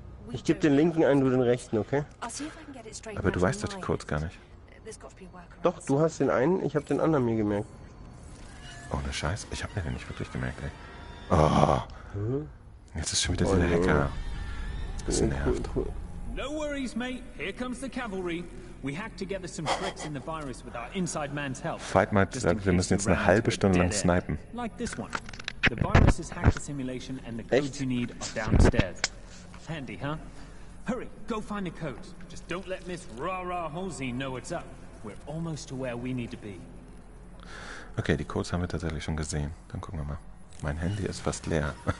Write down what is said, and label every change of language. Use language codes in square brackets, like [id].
[de] Ich gebe den linken einen, du den rechten, okay? Aber du weißt doch die Codes gar nicht. Doch, du hast den einen, ich habe den anderen mir gemerkt. Ohne Scheiß, ich habe mir den nicht wirklich gemerkt, ey. Oh. Jetzt ist schon wieder dieser Hacker. Das nervt. [en] No worries, mate. Here comes the cavalry. We hacked together some tricks in the virus with our inside man's help. [de] Fight mal, wir müssen jetzt eine halbe Stunde lang snipen. [en] Like this one. The virus has hacked the simulation and the codes you need are downstairs. Handy, huh? Hurry, go find the codes. Just don't let Miss Ra-Ra Hosin know what's up. We're almost to where we need to be. [de] Okay, die Codes haben wir tatsächlich schon gesehen. Dann gucken wir mal. Mein Handy ist fast leer.